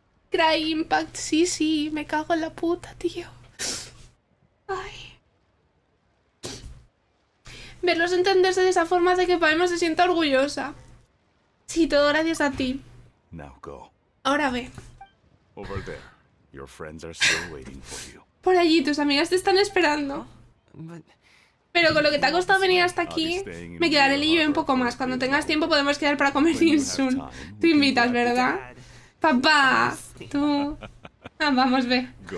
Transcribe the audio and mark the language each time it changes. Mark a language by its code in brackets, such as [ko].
[es] Cry Impact, sí, sí, me cago en la puta, tío. Verlos entenderse de esa forma hace que Paimon se sienta orgullosa. Sí, todo gracias a ti. Ahora ve. [en] Over there, your friends are still waiting for you. [es] Por allí, tus amigas te están esperando. Pero con lo que te ha costado venir hasta aquí, me quedaré lío un poco más. Cuando tengas tiempo podemos quedar para comer insun. Tú invitas, ¿verdad? Papá, tú... ah, vamos, ve.